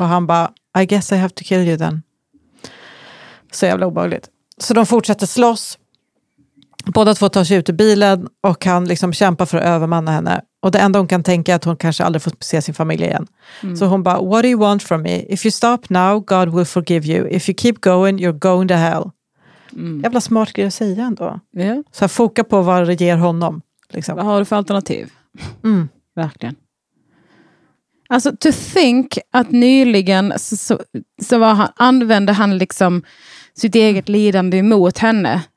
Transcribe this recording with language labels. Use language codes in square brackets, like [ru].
[sv] Och han bara, [en] I guess I have to kill you then. [sv] Så jävla obehagligt. Så de fortsätter slåss. Båda 2 tar sig ut ur bilen och kan liksom kämpa för att övermanna henne. Och det enda hon kan tänka är att hon kanske aldrig får se sin familj igen. Mm. Så hon bara, [en] what do you want from me? If you stop now, God will forgive you. If you keep going, you're going to hell. Mm. [sv] Jävla smart grej att säga ändå. Yeah. Så här, foka på vad det ger honom. Liksom. Vad har du för alternativ? Mm. Verkligen. Alltså, [en] to think [sv] att nyligen använde han liksom sitt eget lidande emot henne.